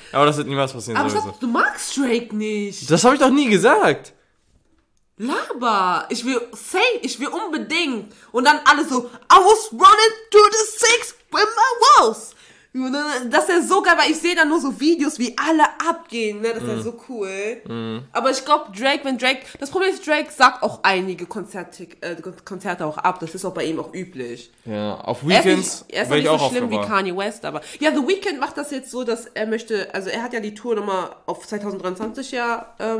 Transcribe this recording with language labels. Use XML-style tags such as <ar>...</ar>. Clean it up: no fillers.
<de>Aber das wird niemals passieren. Aber sowieso. Ich glaube, du magst Drake nicht. Das habe ich doch nie gesagt. Laber. Ich will unbedingt. Und dann alle so,</de> <en>I was running through the six with my walls.</en> <de>Das ist so geil, weil ich sehe dann nur so Videos, wie alle abgehen. Ne? Das ist so cool. Aber ich glaube, das Problem ist, Drake sagt auch einige Konzerte auch ab. Das ist auch bei ihm auch üblich. Ja, auf Weekends wäre ich auch nicht so schlimm wie Kanye West, aber. Ja, The Weeknd macht das jetzt so, dass er möchte, also er hat ja die Tour nochmal auf 2023 ja</de>